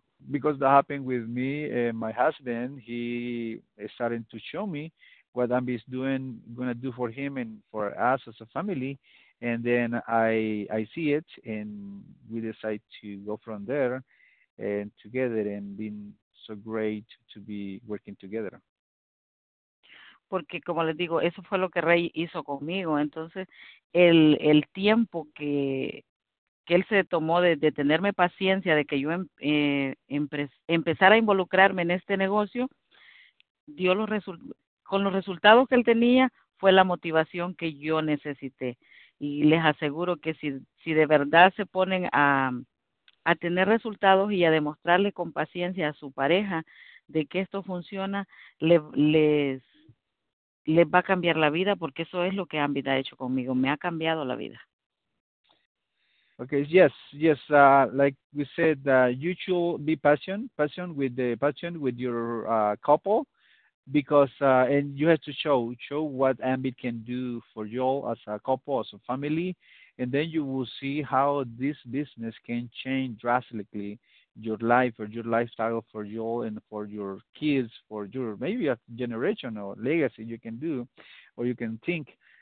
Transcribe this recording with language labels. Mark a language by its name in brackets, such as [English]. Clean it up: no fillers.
[English] Because that happened with me and my husband, he started to show me what Ambit is doing, gonna do for him and for us as a family. And then I see it, and we decide to go from there and together, and been so great to be working together. [Spanish] Porque como les digo, eso fue lo que Rey hizo conmigo. Entonces, el tiempo que él se tomó de tenerme paciencia, de que yo empezara a involucrarme en este negocio, dio los con los resultados que él tenía, fue la motivación que yo necesité. Y les aseguro que si de verdad se ponen a tener resultados y a demostrarle con paciencia a su pareja de que esto funciona, les va a cambiar la vida, porque eso es lo que Ambit ha hecho conmigo. Me ha cambiado la vida. [English] Okay, yes. Like we said, you should be passionate with your couple, because you have to show what Ambit can do for y'all as a couple, as a family, and then you will see how this business can change drastically your life or your lifestyle for y'all and for your kids, for your maybe a generation or legacy you can do or you can think.